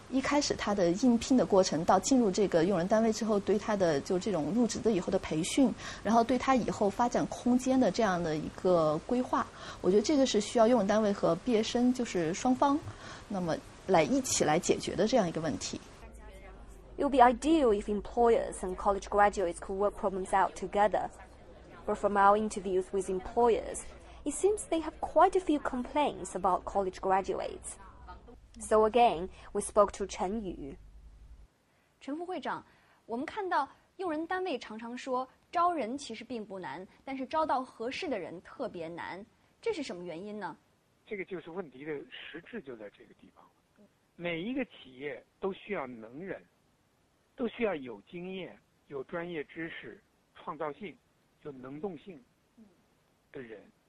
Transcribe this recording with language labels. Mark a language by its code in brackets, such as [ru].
[zh] 一开始他的应聘的过程到进入这个用人单位之后，对他的就这种入职的以后的培训，然后对他以后发展空间的这样的一个规划，我觉得这个是需要用人单位和毕业生就是双方那么来一起来解决的这样一个问题。 [en] It would be ideal if employers and college graduates could work problems out together. But from our interviews with employers, it seems they have quite a few complaints about college graduates. So again, we spoke to Chen Yu. [zh] 陈副会长，我们看到用人单位常常说招人其实并不难，但是招到合适的人特别难，这是什么原因呢？这个就是问题的实质就在这个地方。每一个企业都需要能人，都需要有经验、有专业知识、创造性、有能动性的人。